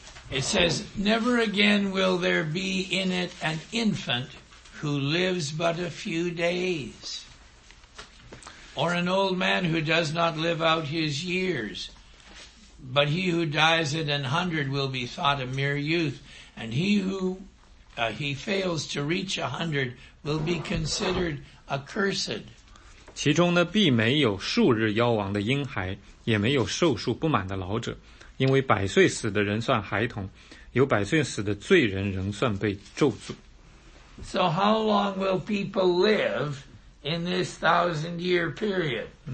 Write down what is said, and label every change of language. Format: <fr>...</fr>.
<en>It says, never again will there be in it an infant who lives but a few days, or an old man who does not live out his years. But he who dies at 100 will be thought a mere youth, and he who he fails to reach 100 will be considered accursed.</en> <zh>其中呢，必没有数日夭亡的婴孩，也没有寿数不满的老者。因为百岁死的人算孩童，有百岁死的罪人仍算被咒诅。</zh> <en>So how long will people live in this 1,000-year period?</en>